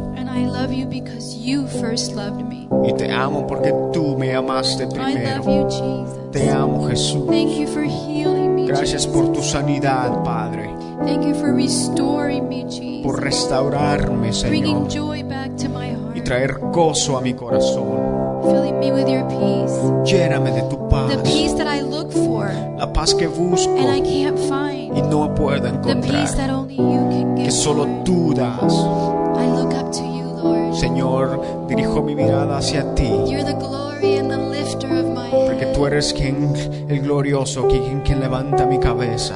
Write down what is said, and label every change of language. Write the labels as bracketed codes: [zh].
[en] And I love you because you first loved me. [es] Y te amo porque tú me amaste primero. [en] I love you, Jesus. [es] Te amo, Jesús. [en] Thank you for healing me, [es] Gracias Por tu sanidad, Padre. [en] Thank you for restoring me, Jesus. [es] Por restaurarme, Señor. [en] Bringing joy back to my heart. [es] Y traer gozo a mi corazón. [en] Filling me with your peace. [es] Lléname de tu paz. [en] The peace that I look for. [es] La paz que busco. [en] And I can't find. [es] Y no puedo encontrar. [en] The peace that only you can give. [es] Que solo tú das. [en] I look up to you, Lord. [es] Señor, dirijo mi mirada hacia ti. [en] You're the glory and the lifter of my head. [es] Porque tú eres quien el glorioso, quien levanta mi cabeza.